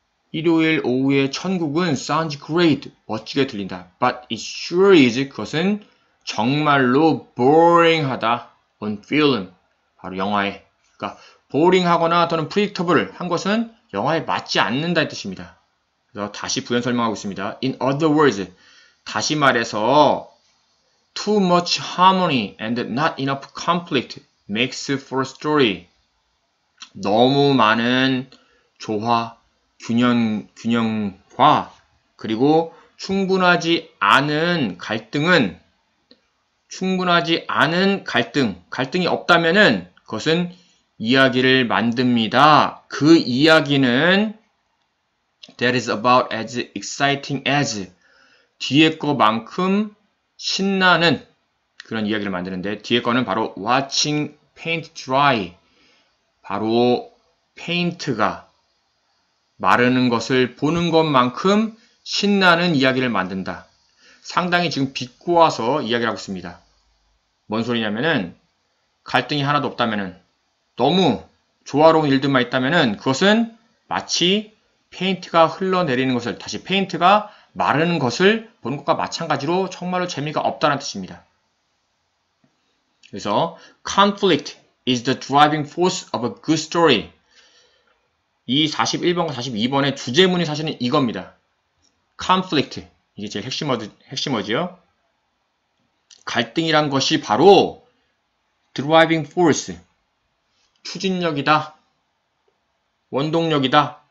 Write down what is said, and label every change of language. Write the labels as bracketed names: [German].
[Korean] 일요일 오후에 천국은 [English] sounds great. [Korean] 멋지게 들린다. [English] But it sure is. [Korean] 그것은 정말로 boring하다. [English] On film. [Korean] 바로 영화에. 그러니까 boring 하거나 또는 predictable 한 것은 영화에 맞지 않는다는 뜻입니다. 그래서 다시 부연 설명하고 있습니다. [English] In other words, [Korean] 다시 말해서 [English] too much harmony and not enough conflict makes for a story. [Korean] 너무 많은 조화, 균형과 그리고 충분하지 않은 갈등이 없다면은 그것은 이야기를 만듭니다. 그 이야기는 [English] that is about as exciting as [Korean] 뒤에 거만큼 신나는 그런 이야기를 만드는데 뒤에 거는 바로 [English] watching paint dry. [Korean] 바로 페인트가 마르는 것을 보는 것만큼 신나는 이야기를 만든다. 상당히 지금 비꼬아서 이야기하고 있습니다. 뭔 소리냐면은 갈등이 하나도 없다면은 너무 조화로운 일들만 있다면은 그것은 마치 페인트가 흘러내리는 것을 다시 페인트가 마르는 것을 보는 것과 마찬가지로 정말로 재미가 없다는 뜻입니다. [English] 그래서 conflict is the driving force of a good story. [Korean] 이 41번과 42번의 주제문이 사실은 이겁니다. conflict 이게 제일 핵심어지요. 갈등이란 것이 바로 driving force. 추진력이다. 원동력이다.